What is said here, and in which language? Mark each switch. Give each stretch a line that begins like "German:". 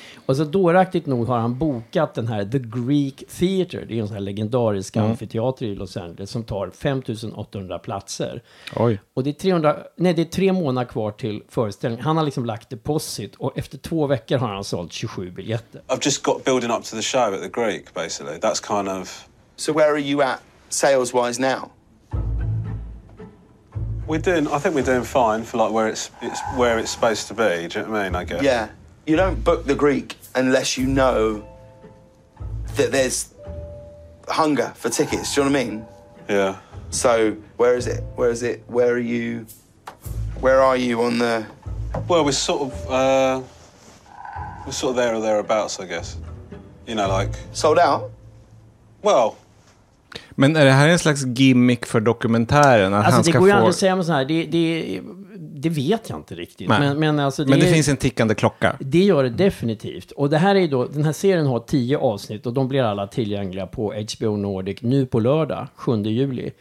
Swedish: Och så dåraktigt nog har han bokat den här The Greek Theater. Det är en sån här legendarisk amfiteater i Los Angeles som tar 5800 platser. Oj. Och det är 3 månader kvar till föreställningen. Han har liksom lagt deposit, och efter 2 veckor har han sålt 27 biljetter.
English: I've just got building up to the show at The Greek, basically. That's kind of... So where are you at sales-wise now? I think we're doing fine for like where it's supposed to be, do you know what I mean, I guess? Yeah. You don't book The Greek unless you know that there's hunger for tickets, do you know what I mean? Yeah. So where is it? Where are you on the... Well, we're sort of there or thereabouts, I guess. You know, like... Sold out? Well...
Swedish: Men är det här en slags gimmick för dokumentären? Att alltså han ska det går ju aldrig att säga med så här, det vet jag inte riktigt. Men, alltså det, men det finns en tickande klocka. Det gör det definitivt. Och det här är då, den här serien har 10 avsnitt och de blir alla tillgängliga på HBO Nordic nu på lördag, 7 juli.